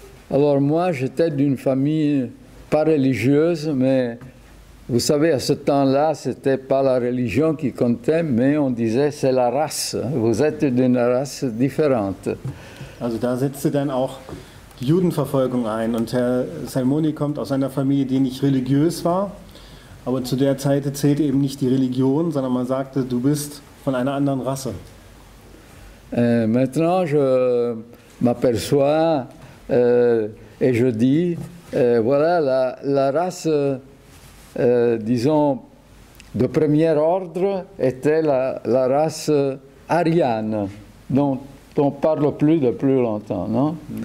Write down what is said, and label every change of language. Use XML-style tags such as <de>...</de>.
<fr>Alors moi, j'étais d'une famille pas religieuse, mais vous savez, à ce temps-là, c'était pas la religion qui comptait, mais on disait c'est la race. Vous êtes d'une race différente.</fr> <de>Also da setzte dann auch die Judenverfolgung ein. Und Herr Salmoni kommt aus einer Familie, die nicht religiös war, aber zu der Zeit zählte eben nicht die Religion, sondern man sagte, du bist von einer anderen Rasse.</de> <fr>Maintenant, je m'aperçois et je dis, voilà, la race, disons, de premier ordre était la race ariane, dont on parle plus de plus longtemps, non?</fr>